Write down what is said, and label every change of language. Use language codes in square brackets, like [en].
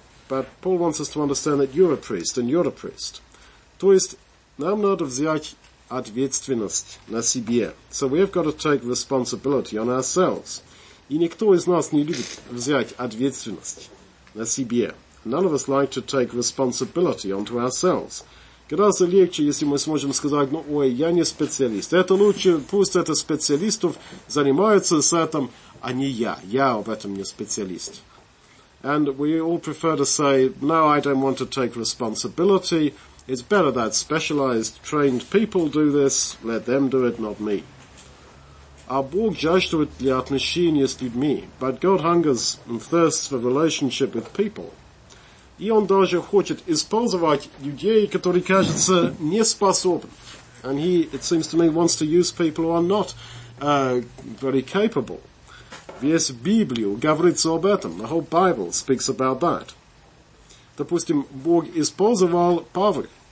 [en] But Paul wants us to understand that you're a priest, and you're a priest. [ru] То есть нам надо взять ответственность на себе. [en] So we have got to take responsibility on ourselves. [ru] И никто из нас не любит взять ответственность на себе. [en] None of us like to take responsibility onto ourselves. [ru] Гораздо легче, если мы сможем сказать, ну, ой, я не специалист. Это лучше, пусть это специалистов занимаются с этим, а не я. Я об этом не специалист. [en] And we all prefer to say, no, I don't want to take responsibility. It's better that specialized, trained people do this, let them do it, not me. [ru] А Бог жаждет для отношения с людьми, [en] but God hungers and thirsts for relationship with people. [ru] И он даже хочет использовать людей, которые кажутся не способны. [en] And he, it seems to me, wants to use people who are not very capable. [ru] Весь Библию говорится об этом, [en] the whole Bible speaks about that. [ru] Допустим, Бог использовал Павла.